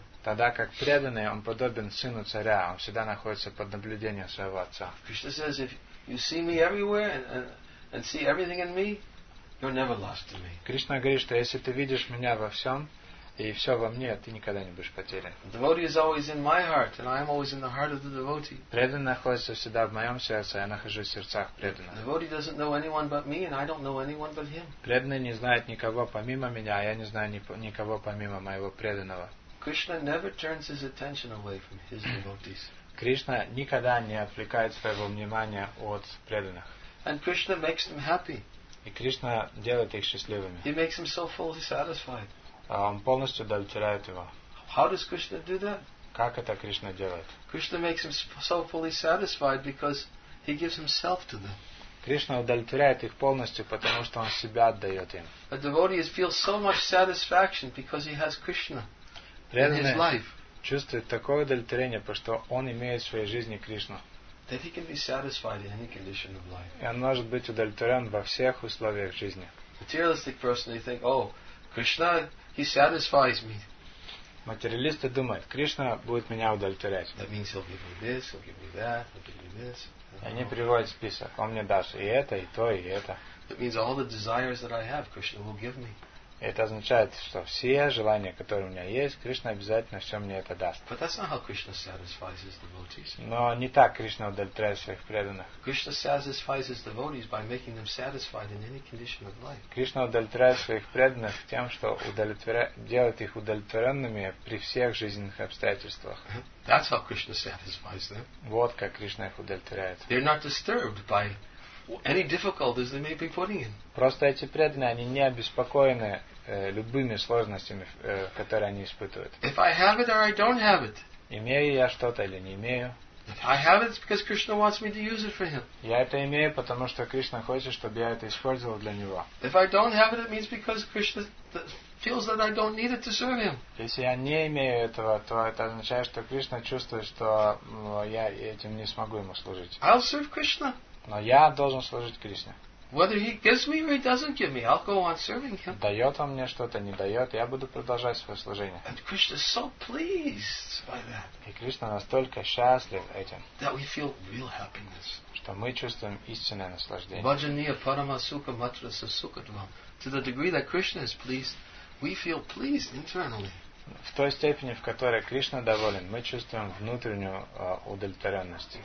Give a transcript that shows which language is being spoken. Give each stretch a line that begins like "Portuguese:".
Russian: Тогда как преданный, он подобен сыну царя, он всегда находится под наблюдением своего отца.
English: Кришна says, if you see me everywhere and see everything in me, you're never lost to me.
Russian: Кришна говорит, что если ты видишь меня во всем, и все во мне, ты никогда не будешь потерян.
English: The devotee is always in my heart, and I am always in the heart of the devotee.
Russian: Преданный находится всегда в моем сердце, я нахожусь в сердцах преданного.
English: The devotee doesn't know anyone but me, and I don't know anyone but him.
Russian: Преданный не знает никого помимо меня, а я не знаю никого помимо моего преданного.
English: Krishna never turns his attention away from his devotees.
Russian: Кришна никогда не отвлекает своего внимания от преданных.
English: And Krishna makes them happy.
Russian: И Кришна делает их счастливыми.
English: He makes them so fully satisfied.
Russian: Он полностью удовлетворяет его.
English: How does Krishna do that?
Russian: Как это Кришна делает?
English: Krishna makes him so fully satisfied because he gives himself to them.
Russian: Кришна удовлетворяет их полностью, потому что он себя отдает им.
English: A devotee feels so much satisfaction because he has Krishna in his life.
Russian: Чувствует такое удовлетворение, потому что он имеет в своей жизни Кришну.
English: That he can be satisfied in any condition of life.
Russian: И он может быть удовлетворен во всех условиях жизни.
English: Materialistic person, they think, oh, Krishna, he satisfies me.
Russian: Материалисты думают, Кришна будет меня удовлетворять.
English: That means he'll give me this, he'll give me that, he'll give me this.
Russian: Они приводят список, он мне даст и это, и то, и это.
English: That means all the desires that I have, Krishna will give me.
Russian: Это означает, что все желания, которые у меня есть, Кришна обязательно все мне это даст.
English: But that's not how Krishna satisfies his devotees.
Russian: Но не так Кришна удовлетворяет своих преданных.
English: Krishna satisfies his devotees by making them satisfied in any condition of life.
Russian: Кришна удовлетворяет своих преданных тем, что делает их удовлетворенными при всех жизненных обстоятельствах.
English: That's how Krishna satisfies them.
Russian: Вот как Кришна их удовлетворяет.
English: They're not disturbed by any difficulties they may be putting in.
Russian: Просто эти преданные, они не обеспокоены любыми сложностями, которые они испытывают.
English: If I have it or I don't have it.
Russian: Имею я что-то или не имею.
English: If I have it, it's because Krishna wants me to use it for him.
Russian: Я это имею, потому что Кришна хочет, чтобы я это использовал для него.
English: If I don't have it, it means because Krishna feels that I don't need it to serve him.
Russian: Если я не имею этого, то это означает, что Кришна чувствует, что я этим не смогу ему служить.
English: I'll serve Krishna.
Russian: Но я должен служить Кришне.
English: Whether he gives me or he doesn't give me, I'll go on serving him.
Russian: Дает он мне что-то, не дает, я буду продолжать свое служение.
English: And Krishna is so pleased by that.
Russian: И Кришна настолько счастлив этим.
English: That we feel real happiness.
Russian: Что мы чувствуем истинное наслаждение.
Sanskrit: Bhajaniya parama sukha matrasa sukhadvam.
English: To the degree that Krishna is pleased, we feel pleased internally.
Russian: В той степени, в которой Кришна доволен, мы чувствуем внутреннюю удовлетворенность.